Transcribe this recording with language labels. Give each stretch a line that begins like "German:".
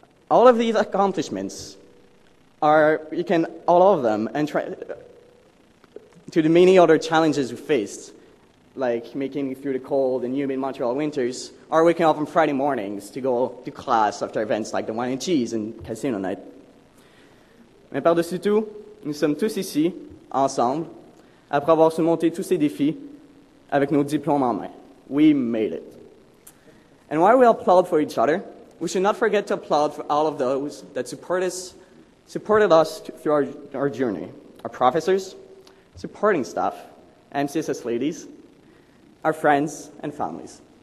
English: All of these accomplishments are, you can, all of them, and to the many other challenges we faced, like making it through the cold and humid Montreal winters, or waking up on Friday mornings to go to class after events like the wine and cheese and casino night.
French: Mais par-dessus tout, nous sommes tous ici, ensemble, après avoir surmonté tous ces défis, avec nos diplômes en main.
English: We made it. And while we applaud for each other, we should not forget to applaud for all of those that supported us through our journey. Our professors, supporting staff, MCSS ladies, our friends and families.